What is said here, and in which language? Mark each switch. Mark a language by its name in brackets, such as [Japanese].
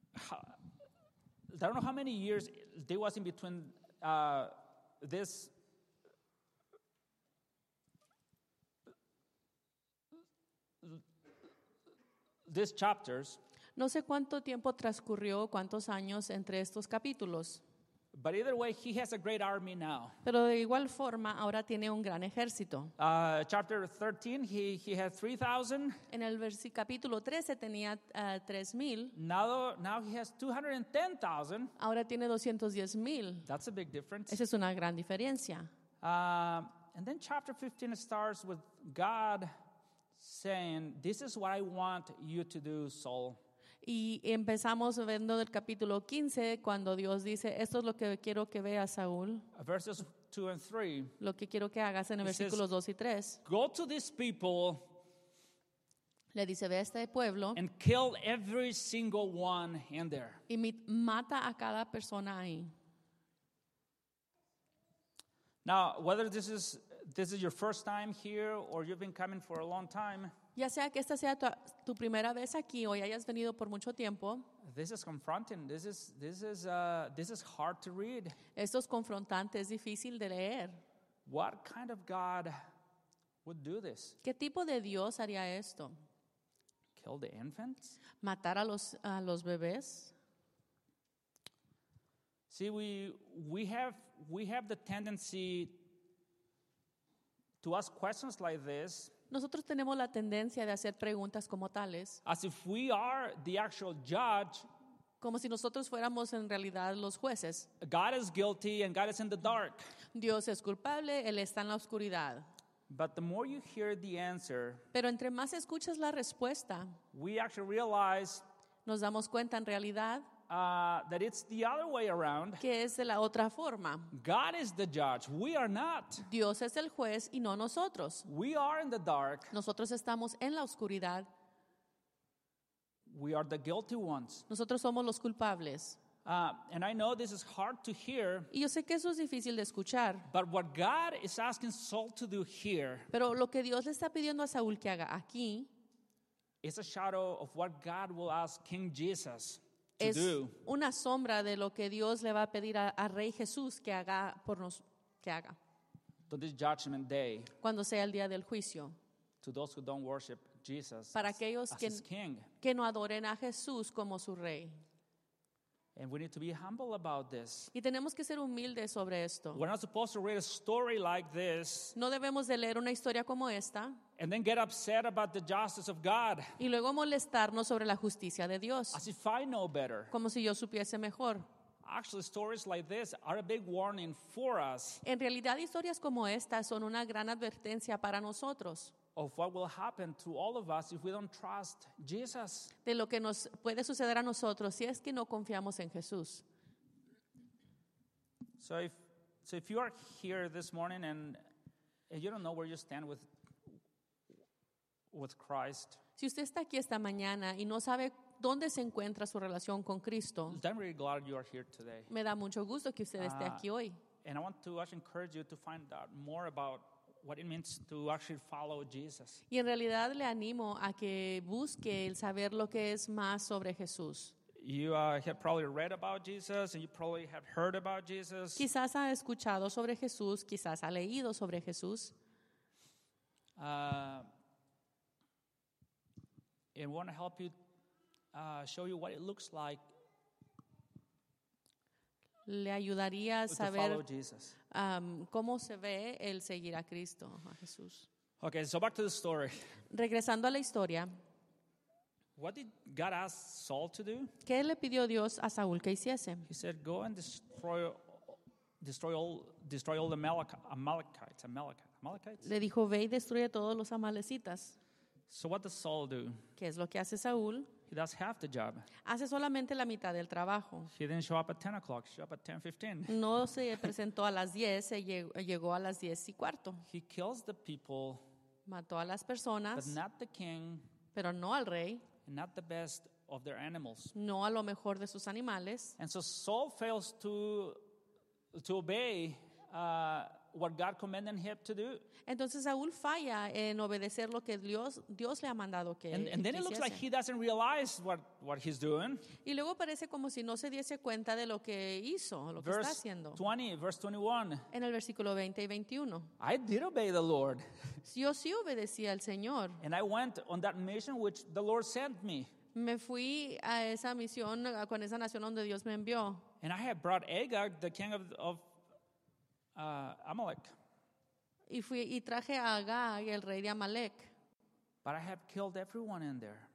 [English] I don't know how many years there was in between this these chapters. [Spanish] No sé cuánto tiempo transcurrió, cuántos años entre estos capítulos. [English] But either way, he has a great army now. [Spanish] Pero de igual forma, ahora tiene un gran ejército. [English] Chapter 13, he had 3,000. [Spanish] En el capítulo 13 tenía 3,000. [English] Now he has 210,000. [Spanish] Ahora tiene 210,000. [English] That's a big difference. [Spanish] Esa es una gran diferencia. [English] And then chapter 15 starts with God saying, "This is what I want you to do, Saul." [Spanish] Y empezamos viendo del capítulo 15 cuando Dios dice, esto es lo que quiero que vea Saúl. [English] Verses 2 and 3. [Spanish] Lo que quiero que hagas en versículos 2 y 3. [English] Go to this people. [Spanish] Le dice, ve a este pueblo. [English] And kill every single one in there. [Spanish] Y mata a cada persona ahí. [English] Now, whether this is your first time here or you've been coming for a long time. [Spanish] Ya sea que esta sea tu primera vez aquí o ya hayas venido por mucho tiempo. [English] This is confronting. This is hard to read. [Spanish] Esto es confrontante, es difícil de leer. [English] What kind of God would do this? [Spanish] ¿Qué tipo de Dios haría esto? [English] Kill the infants? [Spanish] Matar a los bebés. [English] See, we have the tendency to ask questions like this. [Spanish] Nosotros tenemos la tendencia de hacer preguntas como tales. [English] As if we are the actual judge. [Spanish] Como si nosotros fuéramos en realidad los jueces. [English] God is guilty and God is in the dark. [Spanish] Dios es culpable, Él está en la oscuridad. [English] But the more you hear the answer, [Spanish] pero entre más escuchas la respuesta, [English] we actually realize, [Spanish] nos damos cuenta en realidad, [English] that it's the other way around. [Spanish] Que es de la otra forma. [English] God is the judge. We are not. [Spanish] Dios es el juez y no nosotros. [English] We are in the dark. [Spanish] Nosotros estamos en la oscuridad. [English] We are the guilty ones. [Spanish] Nosotros somos los culpables. [English] And I know this is hard to hear. [Spanish] Y yo sé que eso es difícil de escuchar. [English] But what God is asking Saul to do here. [Spanish] Pero lo que Dios le está pidiendo a Saúl que haga aquí. [English] Is a shadow of what God will ask King Jesus. [Spanish] Es una sombra de lo que Dios le va a pedir a Rey Jesús que haga por nos que haga. [English] To this judgment day, [Spanish] cuando sea el día del juicio. [English] To those who don't worship Jesus, [Spanish] para aquellos que no adoren a Jesús como su rey. [English] And we need to be humble about this. [Spanish] Y tenemos que ser humildes sobre esto. [English] We're not supposed to read a story like this. [Spanish] No debemos de leer una historia como esta. [English] And then get upset about the justice of God. [Spanish] Y luego molestarnos sobre la justicia de Dios. [English] As if I know better. [Spanish] Como si yo supiese mejor. [English] Actually, stories like this are a big warning for us. [Spanish] En realidad, historias como estas son una gran advertencia para nosotros. [English] Of what will happen to all of us if we don't trust Jesus. [Spanish] De lo que nos puede suceder a nosotros si es que no confiamos en Jesús. [English] So if you are here this morning and you don't know where you stand with Christ. [Spanish] Si usted está aquí esta mañana y no sabe dónde se encuentra su relación con Cristo. [English] I'm really glad you are here today. [Spanish] Me da mucho gusto que usted esté aquí hoy. [English] And I want to actually encourage you to find out more about what it means to actually follow Jesus. [Spanish] Y en realidad le animo a que busque el saber lo que es más sobre Jesús. [English] You have probably read about Jesus and you probably have heard about Jesus. [Spanish] Quizás ha escuchado sobre Jesús, quizás ha leído sobre Jesús. [English] And want to help you show you what it looks like. [Spanish] Le ayudaría a saber cómo se ve el seguir a Cristo, a Jesús. [English] Okay, so back to the story. [Spanish] Regresando a la historia. [English] What did God ask Saul to do? [Spanish] ¿Qué le pidió Dios a Saúl que hiciese? [English] He said, go and destroy all the Amalekites. Amalekites? [Spanish] Le dijo, ve y destruye todos los amalecitas. [English] So what does Saul do? [Spanish] ¿Qué es lo que hace Saúl? [English] He does half the job. [Spanish] Hace solamente la mitad del trabajo. [English] He didn't show up at 10 o'clock. He showed up at 10:15. [Spanish] No se presentó a las 10. Se llegó a las 10 y cuarto. [English] He kills the people. [Spanish] Mató a las personas. [English] But not the king. [Spanish] Pero no al rey. [English] And not the best of their animals. [Spanish] No a lo mejor de sus animales. [English] And so Saul fails to obey what God commanded him to do. [Spanish] Entonces Saúl falla en obedecer lo que Dios le ha mandado que hiciese. [English] And then it looks like he doesn't realize what he's doing. [Spanish] Y luego parece como si no se diese cuenta de lo que hizo, lo que está haciendo. [English] Verse 21. [Spanish] En el versículo 20 y 21. [English] I did obey the Lord. [Spanish] Yo sí obedecí al Señor. [English] And I went on that mission which the Lord sent me. [Spanish] Me fui a esa misión con esa nación donde Dios me envió. [English] And I had brought Agag, the king of Amalek. [Spanish] Y traje a Agag, el rey de Amalek. [English] But I have killed everyone in there.